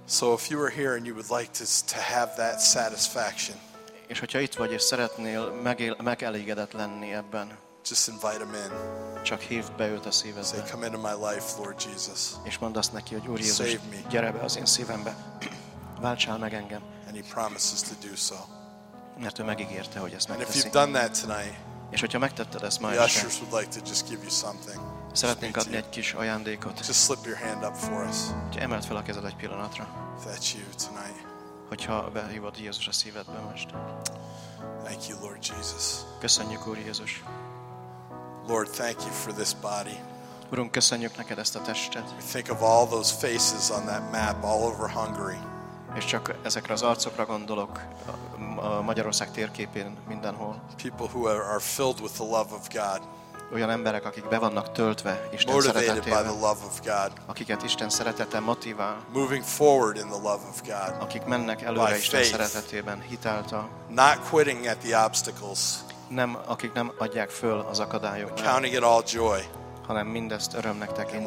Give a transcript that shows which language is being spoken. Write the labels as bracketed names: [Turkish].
[English] So if you are here and you would like to have that satisfaction. [Hungarian] És hogyha itt vagy és szeretnél megelégedett lenni ebben. [English] Just invite him in. [Hungarian] Csak hívd be őt a szívedbe. [English] Say, come into my life, Lord Jesus. [Hungarian] És mondd azt neki, hogy Úr Jézus, [English] save me. [Hungarian] Gyere be az én szívembe. Váltsál meg engem. [English] And he promises to do so. [Hungarian] Mert ő megígérte, hogy ezt megteszi. [English] And if you've done that tonight, [Hungarian] és hogyha megtetted ezt ma este, [English] the ushers would like to just give you something. [Hungarian] Szeretnénk adni egy kis ajándékot. [English] Just slip your hand up for us. [Hungarian] Emeld fel a kezed egy pillanatra. [English] If that's you tonight. [Hungarian] Hogyha behívod Jézus a szívedbe most. [English] Thank you, Lord Jesus. [Hungarian] Köszönjük, Úr Jézus. [English] Lord, thank you for this body. [Hungarian] Urunk, köszönjük neked ezt a testet. [English] We think of all those faces on that map all over Hungary. [Hungarian] És csak ezekre az arcokra gondolok a Magyarország térképén mindenhol. [English] People who are filled with the love of God. [Hungarian] Olyan emberek, akik be vannak töltve Isten [English] motivated [Hungarian] szeretetével. [English] By the love of God. [Hungarian] Akiket Isten szeretete motivál. [English] Moving forward in the love of God. [Hungarian] Akik mennek előre Isten szeretetében hitáltal. [English] Not quitting at the obstacles. [Hungarian] Nem, akik nem adják föl az akadályokat. [English] Counting it all joy. [Hungarian] Hanem mindezt örömnek tekintik.